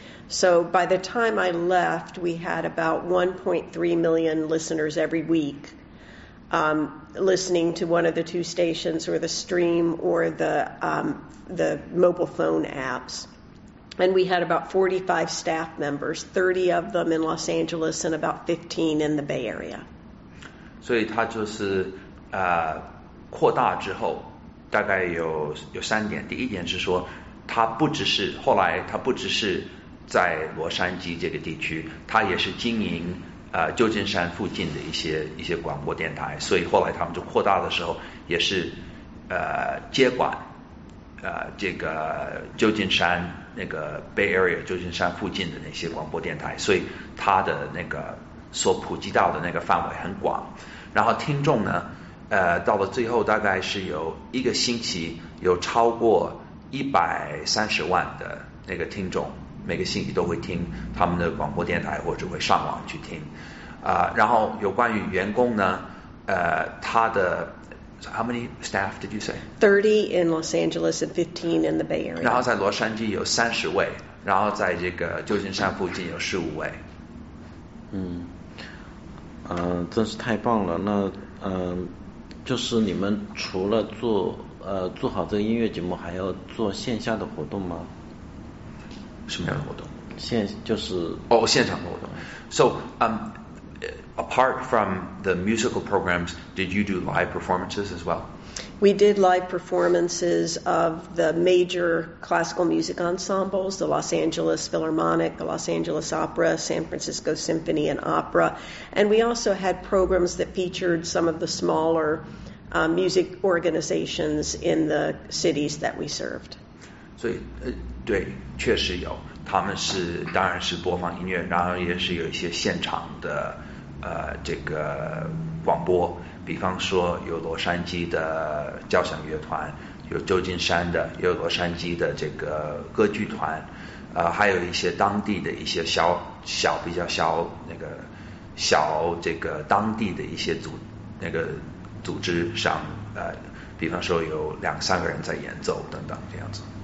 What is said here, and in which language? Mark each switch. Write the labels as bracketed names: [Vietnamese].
[English] So by the time I left, we had about 1.3 million listeners every week listening to one of the two stations or the stream or the mobile phone apps. And we had about 45 staff members, 30 of them in Los Angeles and about 15 in the Bay Area. [Chinese] 所以它就是扩大之后大概有三点。第一点是说它不只是在洛杉矶这个地区，他也是经营旧金山附近的一些广播电台，所以后来他们就扩大的时候也是接管这个旧金山那个 Bay Area 旧金山附近的那些广播电台，所以他的那个所普及到的那个范围很广。然后听众呢到了最后大概是有一个星期有超过130万的那个听众每个星期都会听他们的广播电台或者会上网去听然后有关于员工呢他的 [English] How many staff did you say? 30 in Los Angeles and 15 in the Bay Area. [Chinese] 然后在洛杉矶有30位，然后在这个旧金山附近有15位。真是太棒了。那就是你们除了做好这个音乐节目，还要做线下的活动吗？什么样的活动？现场的活动。 [English] So, apart from the musical programs, did you do live performances as well? We did live performances of the major classical music ensembles, the Los Angeles Philharmonic, the Los Angeles Opera, San Francisco Symphony and Opera. And we also had programs that featured some of the smaller music organizations in the cities that we served. [Chinese] 所以对，确实有。他们是当然是播放音乐，然后也是有一些现场的这个广播，比方说有洛杉矶的交响乐团，有旧金山的，有洛杉矶的这个歌剧团，还有一些当地的一些小那个小这个当地的一些组织上，比方说有两三个人在演奏等等这样子。